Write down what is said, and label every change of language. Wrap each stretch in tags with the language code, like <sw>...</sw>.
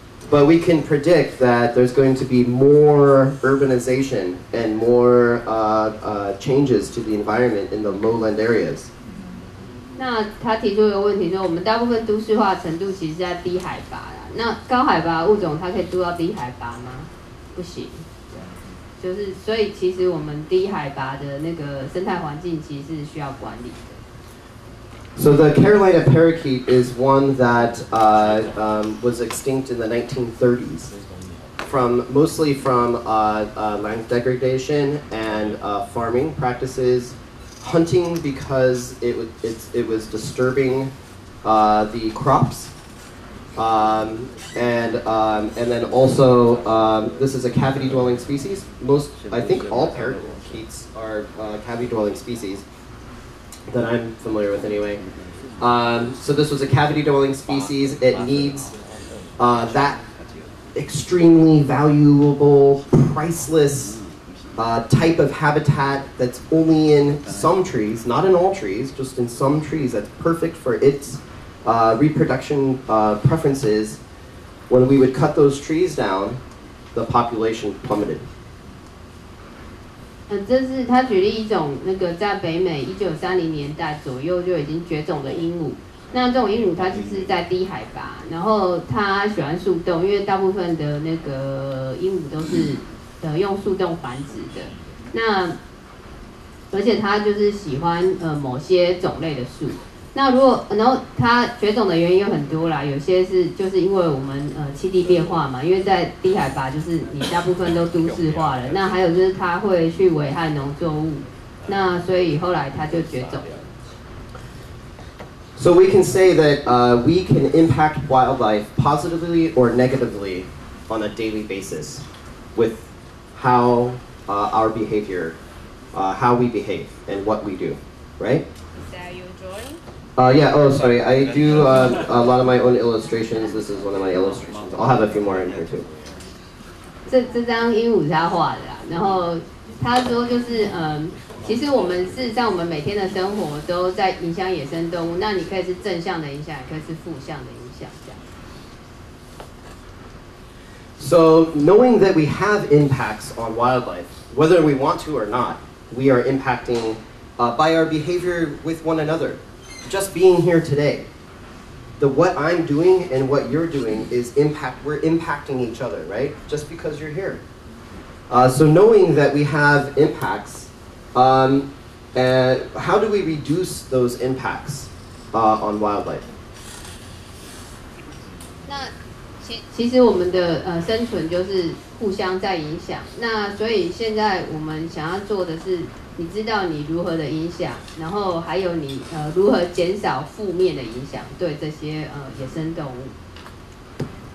<en>But we can predict that there's going to be more urbanization and more changes to the environment in the lowland areas.</en> <zh>那他提出一个问题，说我们大部分都市化程度其实在低海拔啦。那高海拔物种它可以住到低海拔吗？不行。就是所以其实我们低海拔的那个生态环境其实是需要管理的。</zh> <en>So the Carolina parakeet is one that was extinct in the 1930s, mostly from land degradation and farming practices. Hunting because it was disturbing the crops, and then also this is a cavity dwelling species. I think all parakeets are cavity dwelling species that I'm familiar with anyway. So this was a cavity dwelling species. It needs that extremely valuable, priceless. Type of habitat that's only in some trees, not in all trees, just in some trees that's perfect for its reproduction preferences. When we would cut those trees down, the population plummeted.</en> <zh>这是他举例一种那个在北美1930年代左右就已经绝种的鹦鹉。那这种鹦鹉它就是在低海拔，然后它喜欢树洞，因为大部分的那个鹦鹉都是。用树洞繁殖的，那而且他就是喜欢某些种类的树。那如果然后他绝种的原因有很多啦，有些是就是因为我们气地变化嘛，因为在低海拔就是你大部分都都市化了。那还有就是他会去危害农作物，那所以后来他就绝种了。</zh> <en>So we can say that we can impact wildlife positively or negatively on a daily basis with. How our behavior, how we behave, and what we do, right? Sorry. I do a lot of my own illustrations. This is one of my illustrations. I'll have a few more in here too.</en> <zh>这张鹦鹉是他画的啦，然后他说就是其实我们事实上我们每天的生活都在影响野生动物。那你可以是正向的影响，也可以是负向的影响。</zh> <en>So knowing that we have impacts on wildlife, whether we want to or not, we are impacting by our behavior with one another. Just being here today, what I'm doing and what you're doing is impact. We're impacting each other, right? Just because you're here. So knowing that we have impacts, how do we reduce those impacts on wildlife? Not.</en> <zh>其实我们的生存就是互相在影响。那所以现在我们想要做的是，你知道你如何的影响，然后还有你如何减少负面的影响对这些野生动物。</zh>